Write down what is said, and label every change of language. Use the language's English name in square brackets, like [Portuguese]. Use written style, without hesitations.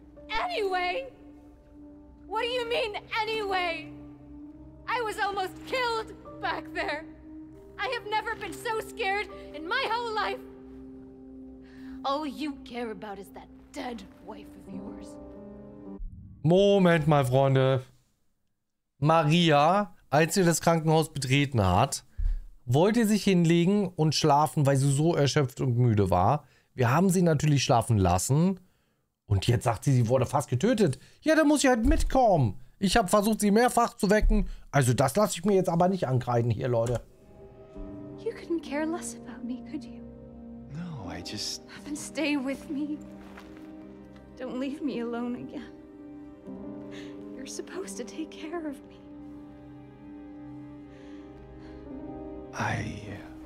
[English] Anyway... What do you mean, anyway? I was almost killed back there. I have never been so scared in my whole life. All you care about is that dead wife of yours. [German] Moment mal, Freunde. Maria, als sie das Krankenhaus betreten hat, wollte sich hinlegen und schlafen, weil sie so erschöpft und müde war. Wir haben sie natürlich schlafen lassen. Und jetzt sagt sie, sie wurde fast getötet. Ja, dann muss sie halt mitkommen. Ich habe versucht, sie mehrfach zu wecken. Also das lasse ich mir jetzt aber nicht ankreiden hier, Leute. [English] You couldn't care less about me, could you? No, I just... Then stay with me. Don't leave me alone again. You're supposed to take care of me. I...